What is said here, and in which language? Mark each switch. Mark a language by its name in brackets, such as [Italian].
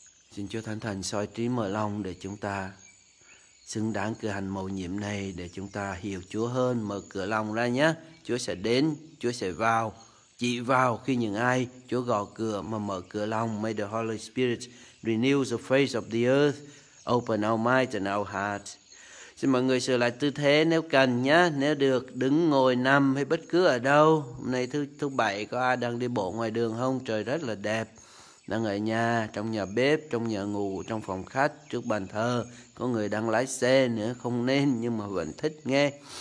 [Vietnamese] Xin Chúa Thánh Thần soi trí mở lòng để chúng ta xứng đáng cử hành mầu nhiệm này, để chúng ta hiểu Chúa hơn. Mở cửa lòng ra nhé. Chúa sẽ đến, Chúa sẽ vào, chỉ vào khi những ai Chúa gõ cửa mà mở cửa lòng. [English] May the Holy Spirit renew the face of the earth, open our minds and our hearts. [Vietnamese] Xin mọi người sửa lại tư thế nếu cần nhé. Nếu được đứng, ngồi, nằm hay bất cứ ở đâu. Hôm nay thứ bảy, có ai đang đi bộ ngoài đường không? Trời rất là đẹp. Đang ở nhà, trong nhà bếp, trong nhà ngủ, trong phòng khách, trước bàn thờ. Có người đang lái xe nữa, không nên nhưng mà vẫn thích nghe.